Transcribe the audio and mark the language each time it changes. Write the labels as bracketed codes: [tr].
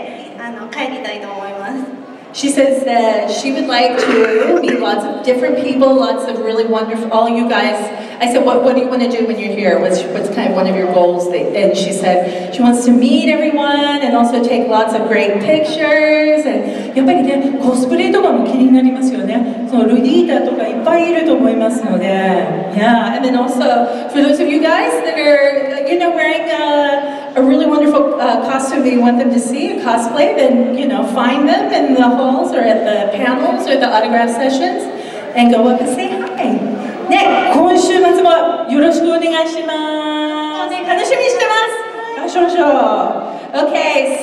[ja] なんかやりたいものってあるんですか?そうですね、たくさんの方とお話しして、あと一緒にお写真をたくさん撮って、帰りたいと思います。 [en] She says that she would like to meet lots of different people, lots of really wonderful, all you guys. I said, what do you want to do when you're here? What's kind of one of your goals? And she said, she wants to meet everyone and also take lots of great pictures. And [ja] やっぱりね、コスプレとかも気になりますよね。そのルディータとかいっぱいいると思いますので。 [en] Yeah, and then also, for those of you guys that are, you know, wearing a really wonderful costume that you want them to see, a cosplay, then, you know, find them in the halls or at the panels or the autograph sessions and go up and say hi. [ja] ね、今週末もよろしくお願いします。楽しみにしてます。Okay,